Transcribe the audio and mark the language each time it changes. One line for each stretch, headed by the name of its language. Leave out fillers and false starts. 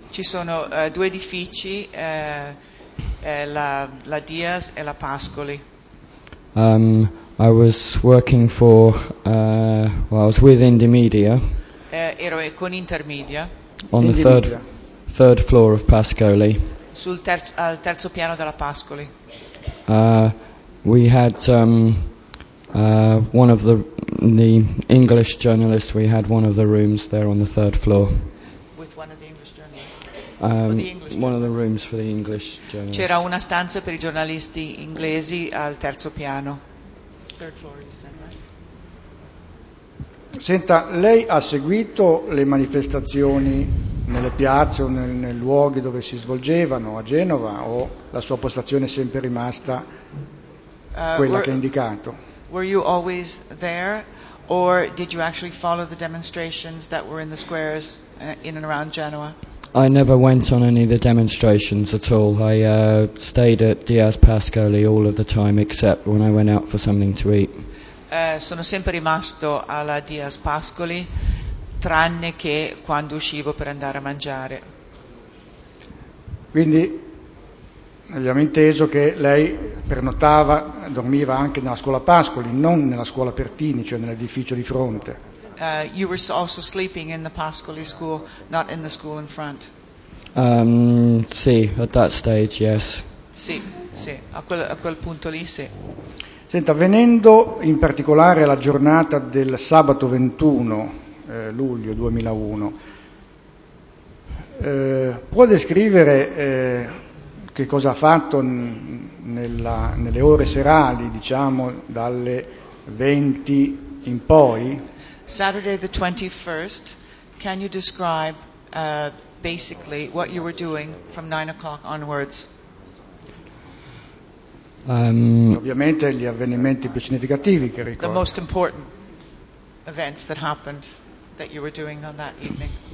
Italian: Ci sono due edifici, la Diaz e la Pascoli.
English: I was working for, I was with Indymedia.
Italian: Ero con Intermedia.
English: On the third floor of Pascoli.
Italian: Sul terzo, al terzo piano della Pascoli.
English: We had one of the English journalists. We had one of the rooms there on the third floor. With one of the English journalists. One of the rooms for the English journalists.
Italian: C'era una stanza per i giornalisti inglesi al terzo piano.
English: Third floor, you said, right?
Italian: Senta, lei ha seguito le manifestazioni nelle piazze o nei luoghi dove si svolgevano a Genova, o la sua postazione è sempre rimasta quella che ha indicato?
English: Were you always there, or did you actually follow the demonstrations that were in the squares in and around Genoa? I never went on any of the demonstrations at all. I stayed at Diaz Pascoli all of the time, except when I went out for something to eat.
Italian: Sono sempre rimasto alla Diaz Pascoli, tranne che quando uscivo per andare a mangiare. Quindi abbiamo inteso che lei pernottava, dormiva anche nella scuola Pascoli, non nella scuola Pertini, cioè nell'edificio di fronte.
English: You were also sleeping in the Pascoli school, not in the school in front. Sì, at that stage, yes.
Italian: Sì, sì, a quel punto lì, sì. Senta, venendo in particolare alla giornata del sabato 21 luglio 2001, può descrivere che cosa ha fatto nelle ore serali, diciamo, dalle 20 in poi?
English: Saturday the 21st, can you describe basically what you were doing from 9 o'clock onwards?
Italian: Ovviamente gli avvenimenti più significativi che ricordo.
English: The most important events that happened that you were doing on that evening.